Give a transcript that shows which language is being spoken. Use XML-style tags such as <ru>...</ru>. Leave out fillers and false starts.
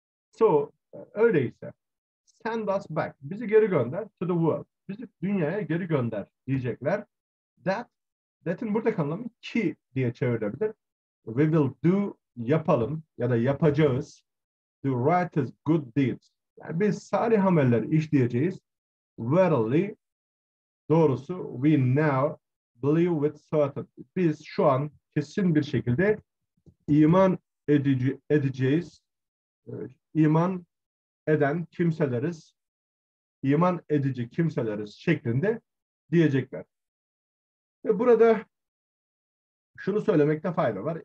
<tr>So, öyleyse</tr> <en>send us back,</en> <tr>bizi geri gönder</tr> <en>to the world,</en> <tr>bizi dünyaya geri gönder diyecekler. That'in buradaki anlamı ki diye çevirebilir.</tr> <en>We will do,</en> <tr>yapalım ya da yapacağız.</tr> <en>The right is good deeds.</en> <tr>Yani biz salih ameller işleyeceğiz.</tr> <en>Verily,</en> <tr>doğrusu</tr> <en>we now believe with certainty.</en> <tr>Biz şu an kesin bir şekilde iman edeceğiz. İman eden kimseleriz. İman edici kimseleriz şeklinde diyecekler. Ve burada şunu söylemekte fayda var.</tr>